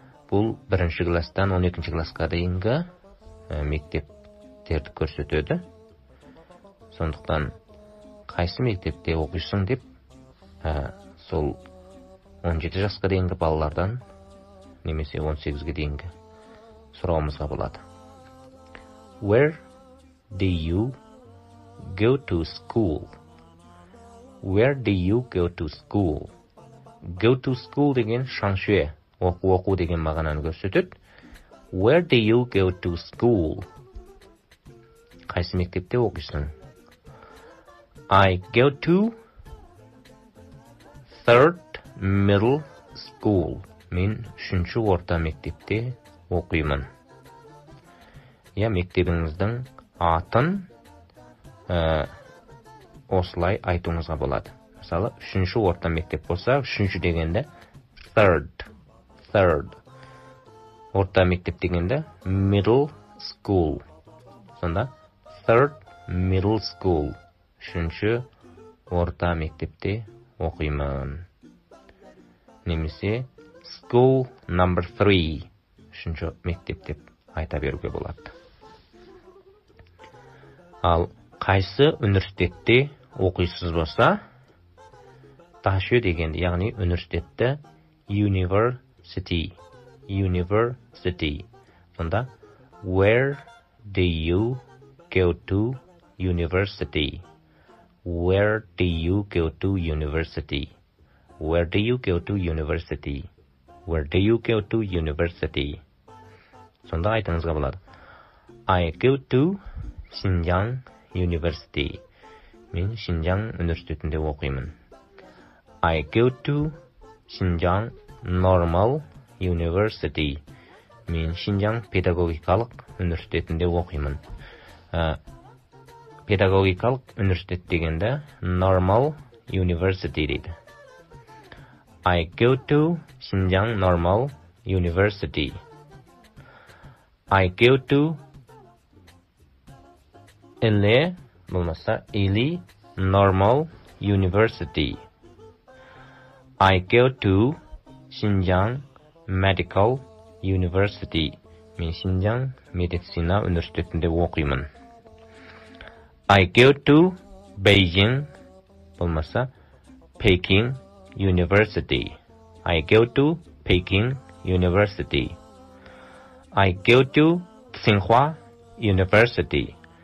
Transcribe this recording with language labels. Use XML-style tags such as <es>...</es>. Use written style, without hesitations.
<kk>Бұл бірінші класстан 12-ші класқа дейінгі мектептерді көрсетеді. Сондықтан қайсы мектепте оқисың деп, сол 17 жасқа дейінгі балалардан немесе 18-ге дейінгі сұрауымызға болады.</kk> <en>Where do you go to school? Where do you go to school? Go to school</en> <kk>деген шаншуе, оқу-оқу деген мағананы көрсетеді.</kk> <en>Where do you go to school?</en> <kk>Қайсы мектепте оқисың?</kk> <en>I go to third middle school.</en> <kk>Мен үшінші орта мектепте оқимын. Я мектебіңіздің атын осылай айтуыңызға болады. Мысалы, үшінші орта мектеп болса, үшінші дегенде</kk> <en>third, third.</en> <kk>Орта мектеп дегенде</kk> <en>middle school.</en> <kk>Сонда</kk> <en>third middle school.</en> <kk>Үшінші орта мектепте оқимын. Немесе</kk> <en>school number 3.</en> <kk>Үшінші мектеп деп айта беруге болады. Ал қайсы университетте оқисыз болса, ташы дегенде, яғни университетті</kk> <en>university, university.</en> <kk>Сонда</kk> <en>where do you go to university? Where do you go to university? Where do you go to university? Where do you go to university?</en> <kk>Сонда айтыңызға болады.</kk> <en>I go to Xinjiang University.</en> <kk>Мен Xinjiang университетінде оқимын.</kk> <en>I go to Xinjiang Normal University.</en> <kk>Мен Xinjiang педагогикалық университетінде оқимын. Педагогикалық университет дегенде</kk> <en>Normal University</en> <kk>дейді.</kk> <en>I go to Xinjiang Normal University. I go to Іле,</en> <kk>болмаса,</kk> <en>Іле Normal University. I go to Xinjiang Medical University.</en> <kk>Мен Xinjiang медицина университетінде оқимын.</kk> <en>I go to Beijing,</en> <kk>болмаса,</kk> <en>Peking University. I go to Peking University. I go to Tsinghua University.</en>